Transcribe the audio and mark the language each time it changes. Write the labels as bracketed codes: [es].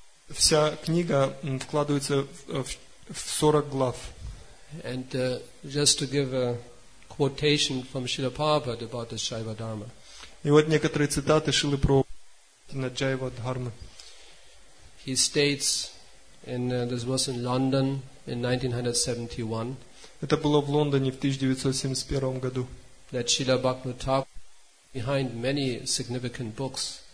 [ru] Вся книга вкладывается в 40 глав. [en] And just to give a quotation from Srila Prabhupada about the Jaiva Dharma. [ru] И вот некоторые цитаты Шрилы Прабхупады на Джайва Дхарму. [en] He states in this was in London in 1971. [ru] Это было в Лондоне в 1971 году. [en] That Srila Bhaktivinoda Thakur behind many significant books.